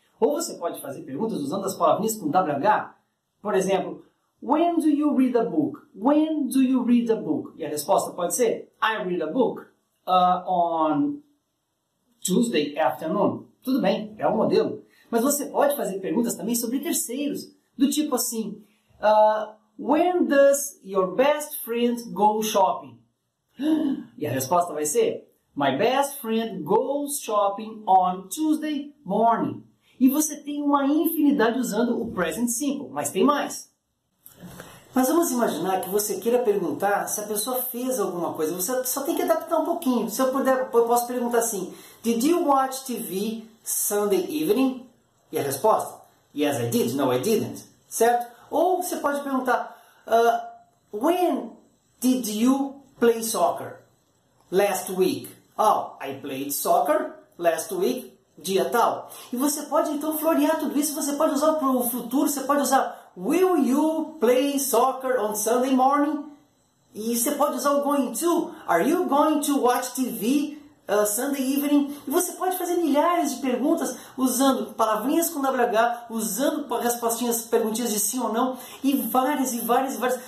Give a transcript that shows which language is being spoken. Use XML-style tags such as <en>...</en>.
<pt>Ou você pode fazer perguntas usando as palavrinhas com WH. Por exemplo,</pt> <en>when do you read a book? When do you read a book?</en> <pt>E a resposta pode ser,</pt> <en>I read a book on Tuesday afternoon.</en> <pt>Tudo bem, é o modelo. Mas você pode fazer perguntas também sobre terceiros. Do tipo assim,</pt> <en>when does your best friend go shopping?</en> <pt>E a resposta vai ser,</pt> <en>my best friend goes shopping on Tuesday morning.</en> <pt>E você tem uma infinidade usando o present simple, mas tem mais. Mas vamos imaginar que você queira perguntar se a pessoa fez alguma coisa. Você só tem que adaptar um pouquinho. Se eu puder, eu posso perguntar assim,</pt> <en>did you watch TV Sunday evening?</en> <pt>E a resposta,</pt> <en>yes I did, no I didn't.</en> <pt>Certo? Ou você pode perguntar,</pt> <en>when did you play soccer? Last week. Oh, I played soccer last week.</en> <pt>Dia tal. E você pode então florear tudo isso, você pode usar para o futuro, você pode usar</pt> <en>will you play soccer on Sunday morning?</en> <pt>E você pode usar o</pt> <en>going to, are you going to watch TV Sunday evening?</en> <pt>E você pode fazer milhares de perguntas usando palavrinhas com WH, usando respostinhas, perguntinhas de sim ou não, e várias e várias e várias.</pt>